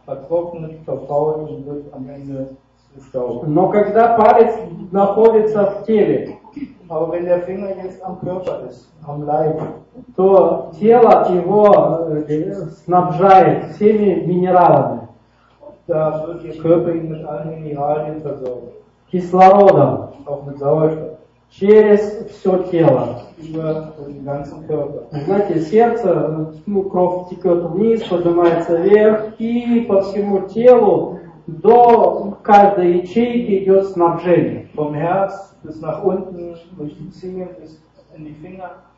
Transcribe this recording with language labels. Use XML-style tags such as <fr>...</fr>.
<ru>Но когда палец находится в теле, то тело его снабжает всеми минералами.</ru> <de>Da wird ihr Körper ihn mit allen Mineralien versorgen.</de> <ru>Кислородом.</ru> <de>Auch mit Sauerstoff.</de> <ru>Через все тело.</ru> <de>Über den ganzen Körper.</de> <ru>Знаете, сердце, ну, кровь текет вниз, поднимается вверх, и по всему телу до каждой ячейки идет снабжение.</ru> <de>Vom Herz bis nach unten, durch die Zehen bis in die Finger.</de>